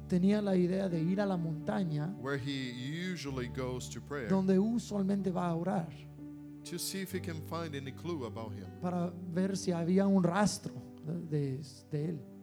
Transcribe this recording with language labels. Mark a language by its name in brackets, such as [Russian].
[Spanish] Tenía la idea de ir a la montaña, [English] where he usually goes to prayer, [Spanish] donde usualmente va a orar, [English] to see if he can find any clue about him. [Spanish] Para ver si había un rastro de él.